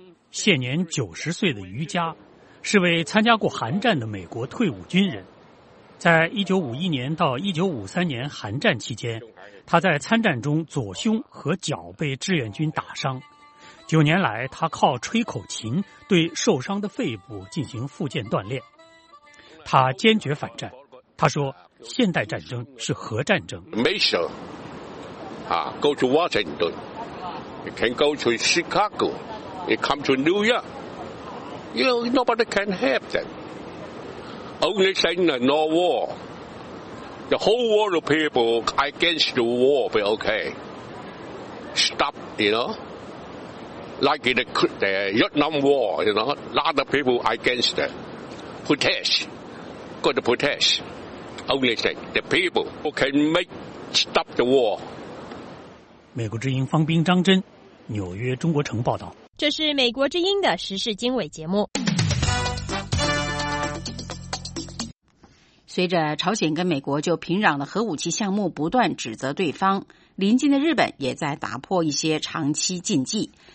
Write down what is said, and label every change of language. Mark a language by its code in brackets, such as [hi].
[zh] 现年90岁的余家是位参加过韩战的美国退伍军人，在1951年到1953年韩战期间，他在参战中左胸和脚被志愿军打伤，九年来他靠吹口琴对受伤的肺部进行复健锻炼。他坚决反战，他说现代战争是核战争。没事啊， [en] go to Washington, you can go to Chicago, you come to New York, you know, nobody can help them. Only thing is no war. The whole world of people against the war be okay. Stop, you know. Like the Vietnam War, you know, a lot of people against them. Protest, got to protest. Only thing, the people who can make stop the war. [zh] 美国之音方斌、张真，纽约中国城报道。这是美国之音的时事经纬节目。随着朝鲜跟美国就平壤的核武器项目不断指责对方，邻近的日本也在打破一些长期禁忌。